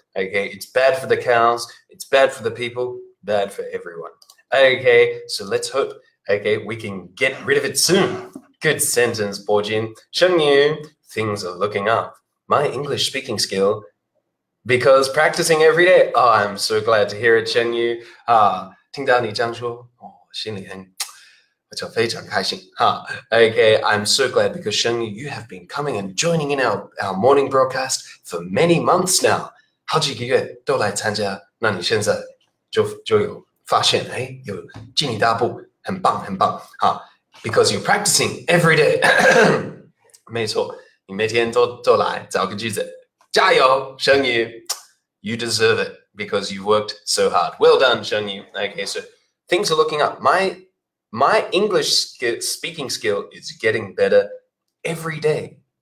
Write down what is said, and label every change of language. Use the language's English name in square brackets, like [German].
[English] Okay, it's bad for the cows, it's bad for the people, bad for everyone. Okay, so let's hope, okay, we can get rid of it soon. Good sentence, Bojin. Sheng Yu, things are looking up. My English speaking skill, because practicing every day. Oh, I'm so glad to hear it, Sheng Yu. [Chinese] 听到你这样说，心里很，我就非常开心。 [English] Okay, I'm so glad because Sheng Yu, you have been coming and joining in our morning broadcast for many months now. [Chinese] 好几个月都来参加，那你现在就有发现，哎，有进一大步，很棒很棒，好 [English] ，because you're practicing every day， [Chinese] 没错，你每天都来找个句子，加油， [English] 生宇 ，you deserve it because you worked so hard， well done， 生宇 ，okay， so things are looking up， my English speaking skill is getting better every day。